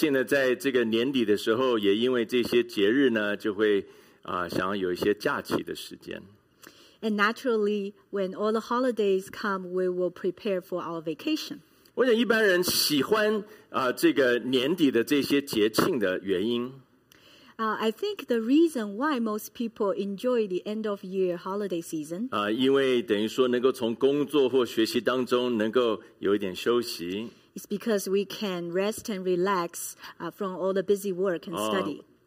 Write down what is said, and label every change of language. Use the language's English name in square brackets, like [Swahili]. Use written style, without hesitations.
[Chinese] 那很多人也会习惯性的在这个年底的时候，也因为这些节日呢, 就会, 想要有一些假期的时间。 [English] And naturally, when all the holidays come, we will prepare for our vacation. [Chinese] 我想一般人喜欢, 这个年底的这些节庆的原因, [English] I think the reason why most people enjoy the end of year holiday season, [Chinese] 因为等于说能够从工作或学习当中能够有一点休息, [English] is because we can rest and relax from all the busy work and study.